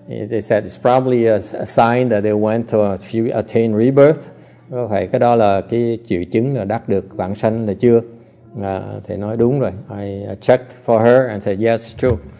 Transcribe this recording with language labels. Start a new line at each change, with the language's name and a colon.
English: They said it's probably a sign that they went to attain rebirth.
Vietnamese: Có phải cái đó là cái triệu chứng là đắc được vãng sanh là chưa? Thầy nói đúng rồi.
English: I checked for her and said yes, true.